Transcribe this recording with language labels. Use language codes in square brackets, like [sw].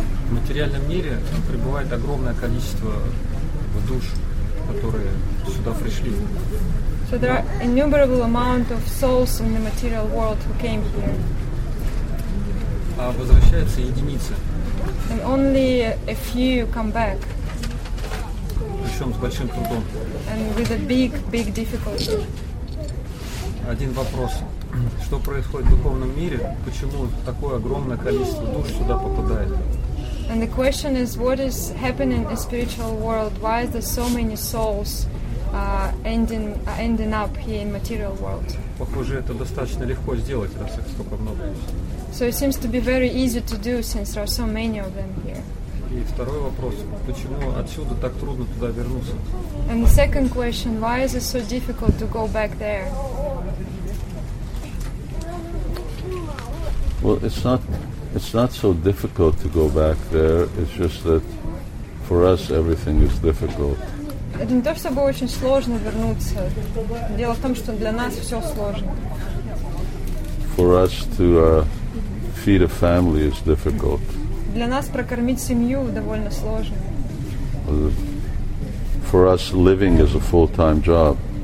[ru] В материальном мире пребывает огромное количество душ, которые сюда пришли. [en] So there are innumerable amount of souls in the material world who came here. [ru] А возвращаются единицы. [en] And only a few come back. [ru] Причем с большим трудом. [en] And with a big, big difficulty. [ru] Один вопрос. Что происходит в духовном мире? Почему такое огромное количество душ сюда попадает? [en] And the question is, what is happening in the spiritual world? Why is there so many souls ending up here in material world? [ru] Похоже, это достаточно легко сделать, раз их столько много. [en] So it seems to be very easy to do, since there are so many of them here. [ru] И второй вопрос. Почему отсюда так трудно туда вернуться? [en] And the second question, why is it so difficult to go back there? Well, it's not so difficult to go back there. It's just that for us everything is difficult. [ru] Это не то, чтобы очень сложно вернуться. Дело в том, что для нас все сложно. [en] For us to feed a family is difficult. [ru] Для нас прокормить семью довольно сложно. [en] For us living is a full-time job.